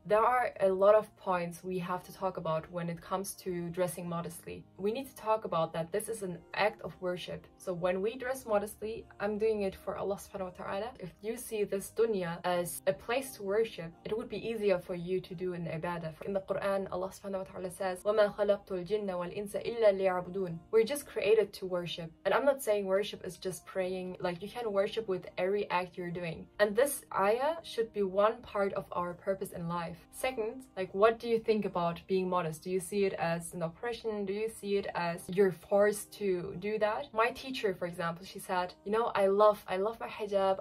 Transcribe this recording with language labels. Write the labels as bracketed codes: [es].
[en] There are a lot of points we have to talk about when it comes to dressing modestly. We need to talk about that this is an act of worship. So when we dress modestly, I'm doing it for Allah subhanahu wa ta'ala. If you see this dunya as a place to worship, it would be easier for you to do an ibadah. In the Quran, Allah subhanahu wa ta'ala says, [ar] خلقت الجن والإنس إلا ليعبدون. [en] We're just created to worship. And I'm not saying worship is just praying. Like, you can worship with every act you're doing. And this ayah should be one part of our purpose in life. Second, like, what do you think about being modest? Do you see it as an oppression? Do you see it as you're forced to do that? My teacher, for example, she said, you know, I love my hijab.